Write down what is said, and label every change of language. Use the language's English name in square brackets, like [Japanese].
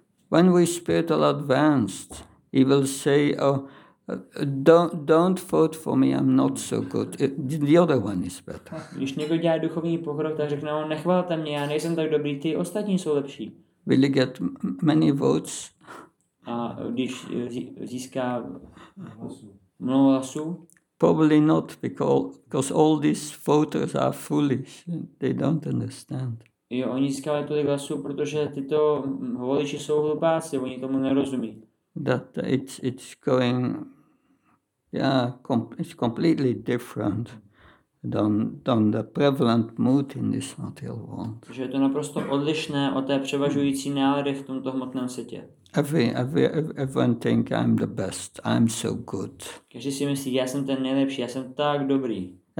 [English] When we spiritual advanced, he will say, oh, don't vote for me, I'm not so good. The other one is better. [Czech] Když někdo dělá duchovní pokrok, tak řekne, nechvalte mě, já nejsem tak dobrý, ty ostatní jsou lepší. [English] Will you get many votes? [Czech] A když získá mnoho hlasů? [English] Probably not, because all these voters are foolish. They don't understand. [Czech] Jo, oni získávají tolik hlasů, protože tyto voliči jsou hlupáci, oni tomu nerozumí. [English] That it's going, yeah, it's completely different than the prevalent mood in this material world. [Czech] Že je to naprosto odlišné od té převažující nálady v tomto hmotném světě. [English] Everyone think I'm the best, I'm so good. [Czech] Každý si myslí, já jsem ten nejlepší, já jsem tak dobrý.